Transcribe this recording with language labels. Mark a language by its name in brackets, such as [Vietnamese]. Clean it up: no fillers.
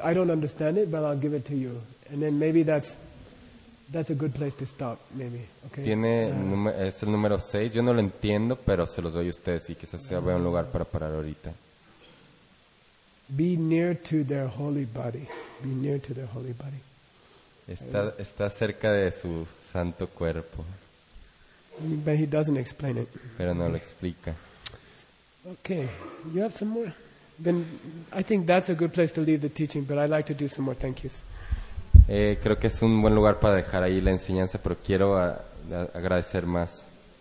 [English] I don't understand it, but I'll give it to you. And then maybe that's a good place to stop, maybe. Okay. [Spanish] Tiene es el número 6. Yo no lo entiendo, pero se los doy a ustedes y quizás sea un lugar para parar ahorita. [English] Be near to their holy body. Be near to their holy body. [Spanish] Está cerca de su santo cuerpo. [English] But he doesn't explain it. [Spanish] Pero no lo explica. [English] Okay. You have some more? Then I think that's a good place to leave the teaching, but I'd like to do some more thank yous. [Spanish] Creo que es un buen lugar para dejar ahí la enseñanza, pero quiero agradecer más.